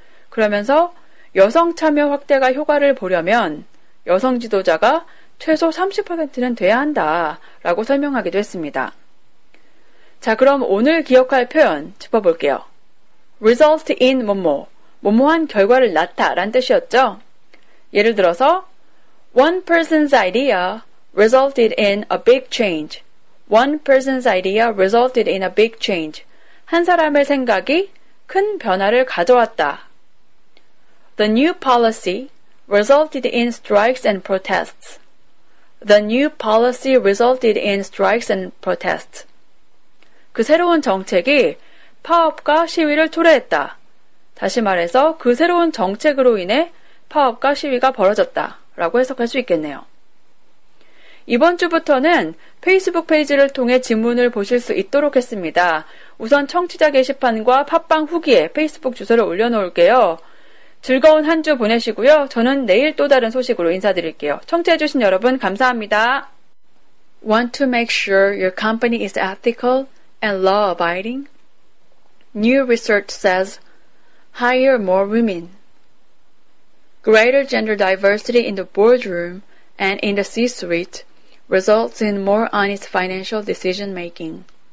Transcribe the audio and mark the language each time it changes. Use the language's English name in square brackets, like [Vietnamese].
[Korean] 그러면서 여성 참여 확대가 효과를 보려면 여성 지도자가 최소 30%는 돼야 한다라고 설명하기도 했습니다. 자, 그럼 오늘 기억할 표현 짚어볼게요. [English] Result in [Korean] 뭐뭐, 뭐뭐한 결과를 낳다란 뜻이었죠. 예를 들어서 [English] One person's idea resulted in a big change. One person's idea resulted in a big change. [Korean] 한 사람의 생각이 큰 변화를 가져왔다. [English] The new policy resulted in strikes and protests. The new policy resulted in strikes and protests. [Korean] 그 새로운 정책이 파업과 시위를 초래했다. 다시 말해서 그 새로운 정책으로 인해 파업과 시위가 벌어졌다 라고 해석할 수 있겠네요. 이번 주부터는 페이스북 페이지를 통해 지문을 보실 수 있도록 했습니다. 우선 청취자 게시판과 팟빵 후기에 페이스북 주소를 올려놓을게요. 즐거운 한 주 보내시고요. 저는 내일 또 다른 소식으로 인사드릴게요. 청취해주신 여러분 감사합니다. [English] Want to make sure your company is ethical and law-abiding? New research says, hire more women. Greater gender diversity in the boardroom and in the C-suite results in more honest financial decision-making.